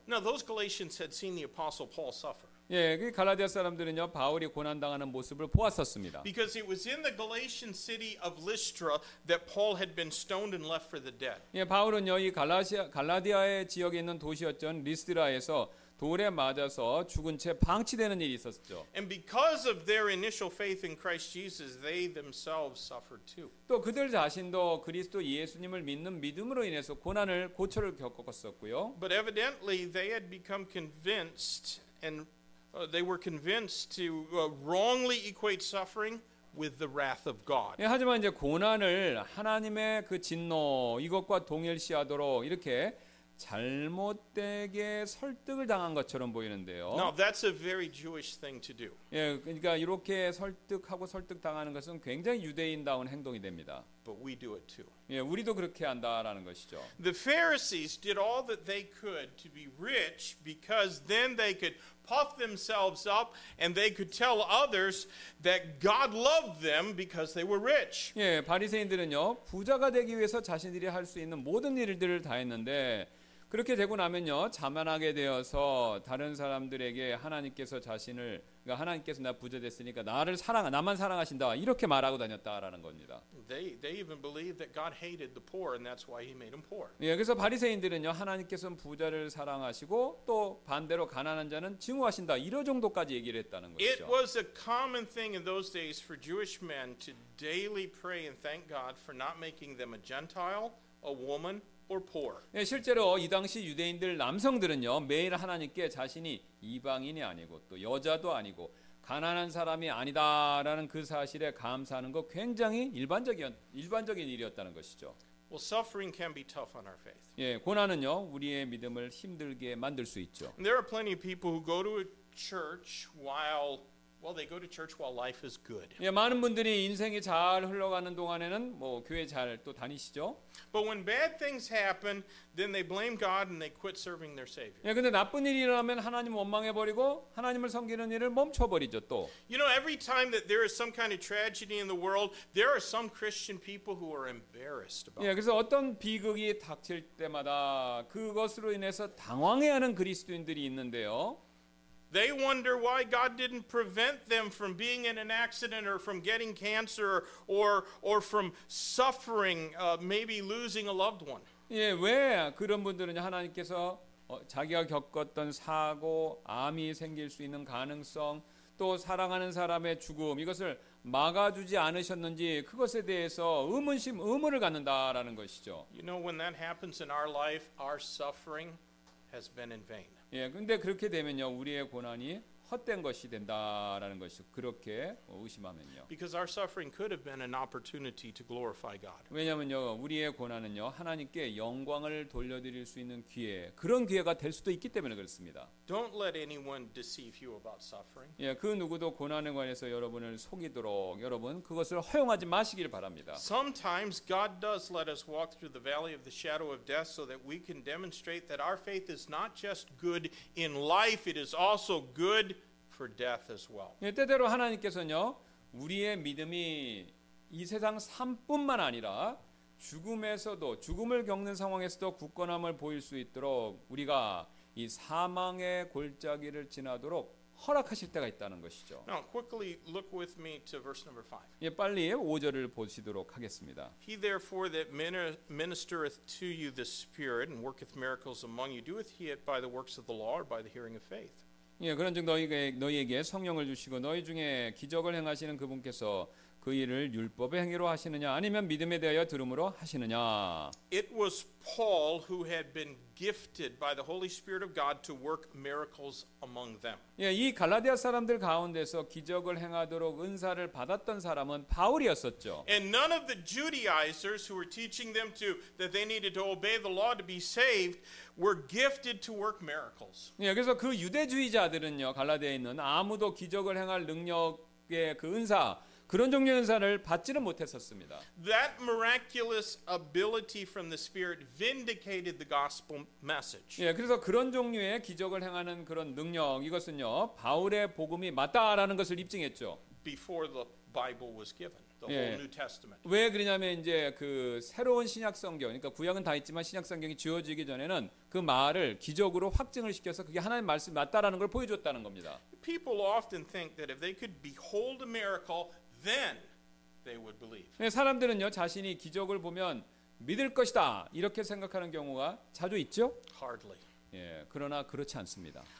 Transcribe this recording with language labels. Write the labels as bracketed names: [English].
[English] Now those Galatians had seen the Apostle Paul suffer. [Korean] 예, 그 갈라디아 사람들은요 바울이 고난 당하는 모습을 보았었습니다. [English] Because it was in the Galatian city of Lystra that Paul had been stoned and left for the dead. [Korean] 예, 바울은요 이 갈라디아의 지역에 있는 도시였죠 리스트라에서 돌에 맞아서 죽은 채 방치되는 일이 있었죠. [English] And because of their initial faith in Christ Jesus, they themselves suffered too. [Korean] 또 그들 자신도 그리스도 예수님을 믿는 믿음으로 인해서 고난을 고초를 겪었었고요. [English] But evidently they had become convinced and they were convinced to wrongly equate suffering with the wrath of God. [Korean] 예, 하지만 이제 고난을 하나님의 그 진노 이것과 동일시하도록 이렇게 잘못되게 설득을 당한 것처럼 보이는데요. [English] Now that's a very Jewish thing to do. [Korean] 예, 그러니까 이렇게 설득하고 설득 당하는 것은 굉장히 유대인다운 행동이 됩니다. [English] But we do it too. [Korean] 예, 우리도 그렇게 한다라는 것이죠. [English] The Pharisees did all that they could to be rich because then they could puff themselves up and they could tell others that God loved them because they were rich. [Korean] 예, 바리새인들은요 부자가 되기 위해서 자신들이 할 수 있는 모든 일들을 다 했는데 그렇게 되고 나면요 자만하게 되어서 다른 사람들에게 하나님께서 자신을 그러니까 하나님께서 나 부자 됐으니까 나를 사랑 나만 사랑하신다 이렇게 말하고 다녔다라는 겁니다. [English] They even believed that God hated the poor and that's why he made them poor. [Korean] 예, 그래서 바리새인들은요 하나님께서는 부자를 사랑하시고 또 반대로 가난한 자는 증오하신다 이런 정도까지 얘기를 했다는 거죠. [English] It was a common thing in those days for Jewish men to daily pray and thank God for not making them a Gentile, a woman. Or poor. [Korean] 예, 실제로 이 당시 유대인들 남성들은요 매일 하나님께 자신이 이방인이 아니고 또 여자도 아니고 가난한 사람이 아니다라는 그 사실에 감사하는 거 굉장히 일반적인 일이었다는 것이죠. [English] Well, suffering can be tough on our faith. [Korean] 예, 고난은요 우리의 믿음을 힘들게 만들 수 있죠. [English] And there are plenty of people who go to a church while Well, they go to church while life is good. [Korean] 예, 많은 분들이 인생이 잘 흘러가는 동안에는 뭐 교회 잘 또 다니시죠. [English] But when bad things happen, then they blame God and they quit serving their Savior. [Korean] 예, 근데 나쁜 일이 일어나면 하나님 원망해 버리고 하나님을 섬기는 일을 멈춰 버리죠 또. [English] You know, every time that there is some kind of tragedy in the world, there are some Christian people who are embarrassed about. [Korean] 예, 그래서 어떤 비극이 닥칠 때마다 그것으로 인해서 당황해하는 그리스도인들이 있는데요. [English] They wonder why God didn't prevent them from being in an accident or from getting cancer or from suffering, maybe losing a loved one. [Korean] 예, 왜 그런 분들은 하나님께서 자기가 겪었던 사고, 암이 생길 수 있는 가능성, 또 사랑하는 사람의 죽음 이것을 막아주지 않으셨는지 그것에 대해서 의문을 갖는다라는 것이죠. [English] You know, when that happens in our life, our suffering has been in vain. [Korean] 예, 근데 그렇게 되면요 우리의 고난이 헛된 것이 된다라는 것이 그렇게 의심하면요. [English] Because our suffering could have been an opportunity to glorify God. [Korean] 왜냐면요 우리의 고난은요 하나님께 영광을 돌려드릴 수 있는 기회, 그런 기회가 될 수도 있기 때문에 그렇습니다. [English] Don't let anyone deceive you about suffering. [Korean] 예, 그 누구도 고난에 관해서 여러분을 속이도록 여러분 그것을 허용하지 마시기를 바랍니다. [English] Sometimes God does let us walk through the valley of the shadow of death so that we can demonstrate that our faith is not just good in life, it is also good for death as well. [Korean] 예, 때때로 하나님께서는요 우리의 믿음이 이 세상 삶뿐만 아니라 죽음에서도 죽음을 겪는 상황에서도 굳건함을 보일 수 있도록 우리가 이 사망의 골짜기를 지나도록 허락하실 때가 있다는 것이죠. [English] Now quickly look with me to verse number 5. [Korean] 예, 빨리 5절을 보시도록 하겠습니다. [English] He therefore that ministereth to you the Spirit and worketh miracles among you doeth he it by the works of the law or by the hearing of faith. [Korean] 예, 그런즉 너희에게 성령을 주시고 너희 중에 기적을 행하시는 그분께서 그 일을 율법의 행위로 하시느냐 아니면 믿음에 대하여 들음으로 하시느냐. [English] It was Paul who had been gifted by the Holy Spirit of God to work miracles among them. [Korean] 예, 이 갈라디아 사람들 가운데서 기적을 행하도록 은사를 받았던 사람은 바울이었었죠. [English] And none of the Judaizers who were teaching them to that they needed to obey the law to be saved were gifted to work miracles. [Korean] 예, 그래서 그 유대주의자들은요, 갈라디아에 있는 아무도 기적을 행할 능력의 그 은사 그런 종류의 은사를 받지는 못했었습니다. [English] That miraculous ability from the Spirit vindicated the gospel message. [Korean] 예, 그래서 그런 종류의 기적을 행하는 그런 능력 이것은요 바울의 복음이 맞다라는 것을 입증했죠. [English] Before the Bible was given. The whole New Testament. [Korean] 왜 그러냐면 이제 그 새로운 신약 성경, 그러니까 구약은 다 있지만 신약 성경이 주어지기 전에는 그 말을 기적으로 확증을 시켜서 그게 하나님의 말씀 맞다라는 걸 보여줬다는 겁니다. [English] People often think that if they could behold a miracle, then they would believe. [Korean] 사람들은요 자신이 기적을 보면 믿을 것이다 이렇게 생각하는 경우가 자주 있죠. [English] Hardly. [Korean] 예, 그러나 그렇지 않습니다.